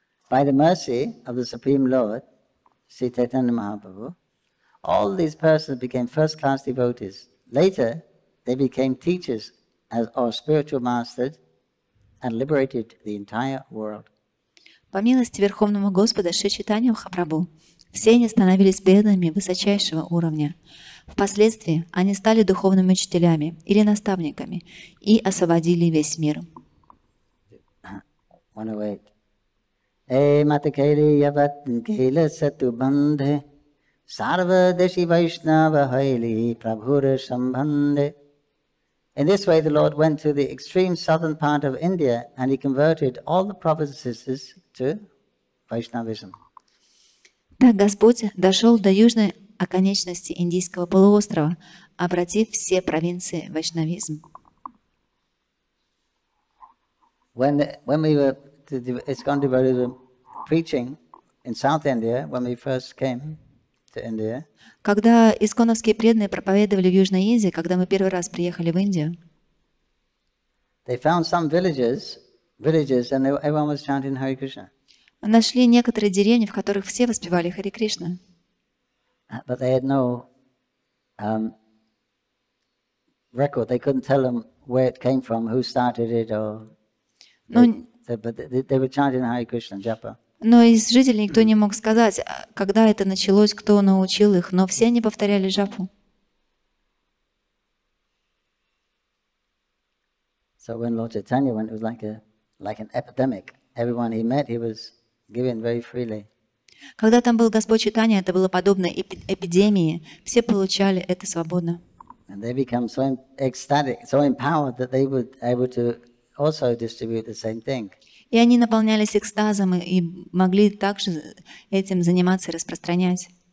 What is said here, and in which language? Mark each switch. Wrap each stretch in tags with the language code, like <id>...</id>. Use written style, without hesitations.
<en>By the mercy of the Supreme Lord, Śrī Caitanya Mahaprabhu, all these persons became first-class devotees. Later, they became teachers as our spiritual masters and liberated the entire world.</en> <ru>По милости Верховного Господа Шри Чайтанья Махапрабху, все они становились преданными высочайшего уровня. Впоследствии они стали духовными учителями или наставниками и освободили весь мир. 108.</ru> <en>In this way, the Lord went to the extreme southern part of India and he converted all the provinces to Vaishnavism.</en> <ru>Так Господь дошел до южной о конечности индийского полуострова, обратив все провинции в вайшнавизм. Когда исконовские преданные проповедовали в Южной Индии, когда мы первый раз приехали в Индию,</ru> <en>they found some villages, and everyone was chanting Hare Krishna.</en> <ru>Нашли некоторые деревни, в которых все воспевали Хари Кришна.</ru> <en>But they had no record. They couldn't tell them where it came from, who started it, or they were chanting Hare Krishna japa.</en> <ru>Но из жителей никто не мог сказать, когда это началось, кто научил их, но все они повторяли джапу.</ru> <en>So when Lord Chaitanya went, it was like an epidemic. Everyone he met, he was giving very freely.</en> <ru>Когда там был Господь Чайтанья, это было подобно эпидемии. Все получали это свободно.</ru> <en>And they became so ecstatic, so empowered that they were able to also distribute the same thing.</en> <ru>И они наполнялись экстазом и могли также этим заниматься и распространять.</ru>